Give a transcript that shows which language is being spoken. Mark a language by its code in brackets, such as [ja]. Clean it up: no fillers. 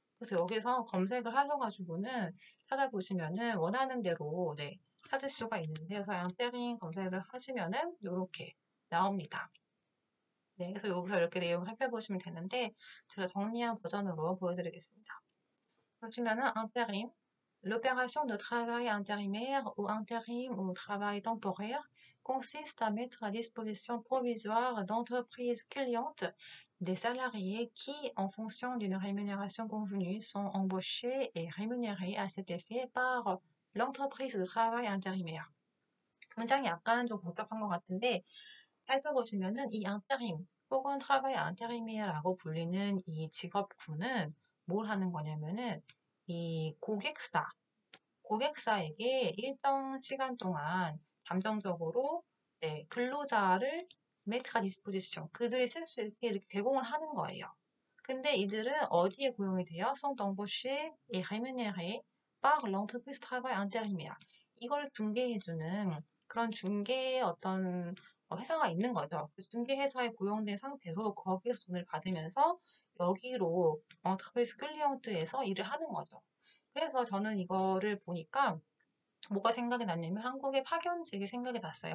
[ko] 그래서 여기서 검색을 하셔가지고는 찾아보시면은 원하는 대로 네 찾을 수가 있는데요. 서양 때링 검색을 하시면은 요렇게 나옵니다. 네, 그래서 여기서 이렇게 내용을 살펴보시면 되는데 제가 정리한 버전으로 보여드리겠습니다. 보시면은 [fr] intérim, l'opération de travail intérimaire ou intérim ou travail temporaire consiste à mettre à disposition provisoire d'entreprises clientes des salariés qui, en fonction d'une rémunération convenue, sont embauchés et rémunérés à cet effet par l'entreprise de travail intérimaire. [ko] 문장이 약간 좀 복잡한 것 같은데 살펴보시면은 이 intérim 혹은 travail intérimaire라고 불리는 이 직업군은 뭘 하는 거냐면은 이 고객사에게 일정 시간 동안 잠정적으로 네, 근로자를 [fr] mettre à disposition [ko] 그들이 쓸수 있게 이렇게 제공을 하는 거예요. 근데 이들은 어디에 고용이 되어? [fr] sont embauchés et rémunérés par l'entreprise travail intérimaire. [ko] 이걸 중개해주는 그런 중개 어떤 회사가 있는 거죠. 그 중개회사에 고용된 상태로 거기서 돈을 받으면서 여기로 엔터프라이즈 클리언트에서 일을 하는 거죠. 그래서 저는 이거를 보니까 뭐가 생각이 났냐면 한국의 파견직이 생각이 났어요.